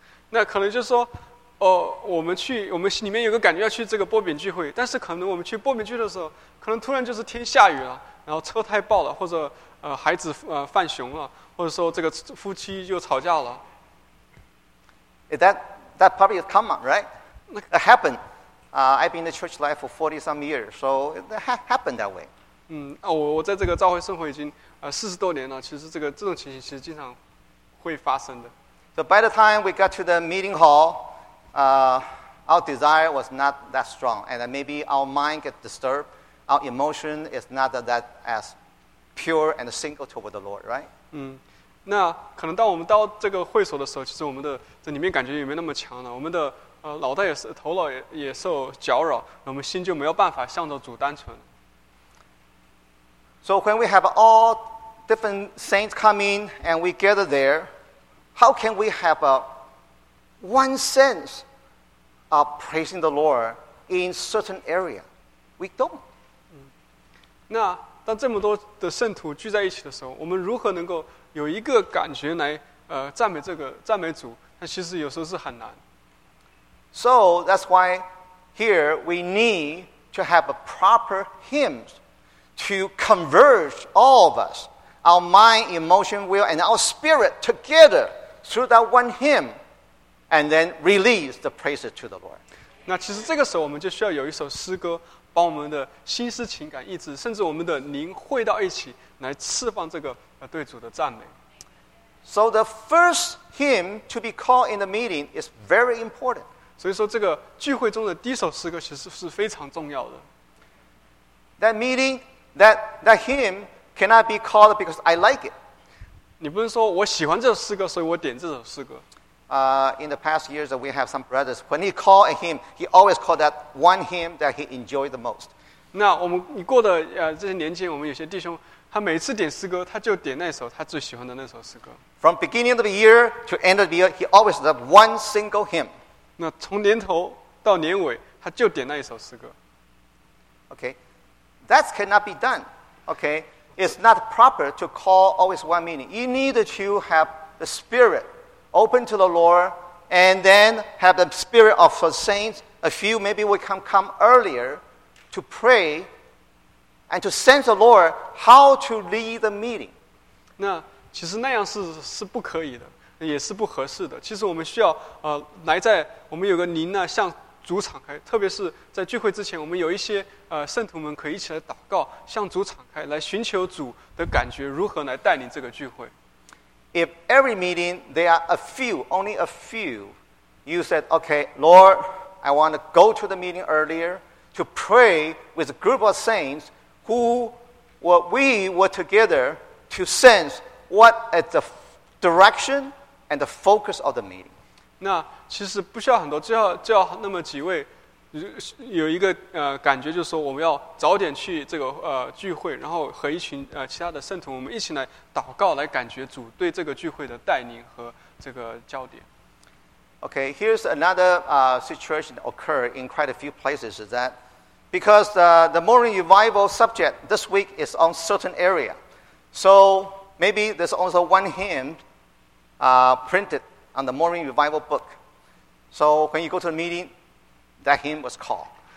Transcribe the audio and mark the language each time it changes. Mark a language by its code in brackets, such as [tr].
[zh] 那可能就是说，我们心里面有个感觉要去这个波饼聚会，但是可能我们去波饼聚会的时候，可能突然就是天下雨了，然后车胎爆了，或者孩子犯熊了，或者说这个夫妻又吵架了。 [en] That probably is common, right? It happened. I've been in the church life for 40 some years, so it happened that way. [zh] 我在这个教会生活已经40多年了，其实这种情形其实经常会发生的。 [en] So by the time we got to the meeting hall, our desire was not that strong, and maybe our mind gets disturbed, our emotion is not that as pure and single toward the Lord, right? [zh] 那可能当我们到这个会所的时候，其实我们的这里面感觉也没那么强了，我们的脑袋也是头脑 也受搅扰，我们心就没有办法向着主单纯。 [en] So when we have all different saints coming and we gather there, how can we have one sense of praising the Lord in certain area? We don't. [zh] 那当这么多的圣徒聚在一起的时候，我们如何能够有一个感觉来赞美这个赞美主？那其实有时候是很难。 [en] So that's why here we need to have a proper hymns to converge all of us, our mind, emotion, will, and our spirit together through that one hymn, and then release the praises to the Lord. [zh] 那其实这个时候我们就需要有一首诗歌，把我们的心思、情感、意志，甚至我们的灵汇到一起，来释放这个对主的赞美。 [en] So the first hymn to be called in the meeting is very important. [zh] 所以说这个聚会中的第一首诗歌其实是非常重要的。 [en] That meeting, that hymn cannot be called because I like it. [zh] 你不能说我喜欢这首诗歌，所以我点这首诗歌。 [en] In the past years, we have some brothers. When he called a hymn, he always called that one hymn that he enjoyed the most. [zh] 那我们你过的这些年间，我们有些弟兄，他每次点诗歌，他就点那首他最喜欢的那首诗歌。 [en] From beginning of the year to end of the year, he always loved one single hymn. [zh] 那从年头到年尾，他就点那一首诗歌。 [en] Okay, that cannot be done. Okay, it's not proper to call always one meeting. You need to have the spirit open to the Lord, and then have the spirit of the saints. A few maybe we can come earlier to pray and to sense the Lord how to lead the meeting. [zh] 那其实那样是不可以的。也是不合适的。其实我们需要来在我们有个灵呢，向主敞开，特别是在聚会之前，我们有一些圣徒们可以一起来祷告，向主敞开，来寻求主的感觉，如何来带领这个聚会。 [en] If every meeting there are a few, only a few, you said, okay, Lord, I want to go to the meeting earlier to pray with a group of saints who what we were together to sense what at the direction. And the focus of the meeting. 那其实不需要很多，就要那么几位，有一个感觉，就是说我们要早点去这个聚会，然后和一群其他的圣徒，我们一起来祷告，来感觉主对这个聚会的带领和这个焦点。 Okay, here's another situation that occurred in quite a few places. Is that because the morning revival subject this week is on certain area, so maybe there's also one hymn. Printed on the morning revival book. So when you go to the meeting, that hymn was called.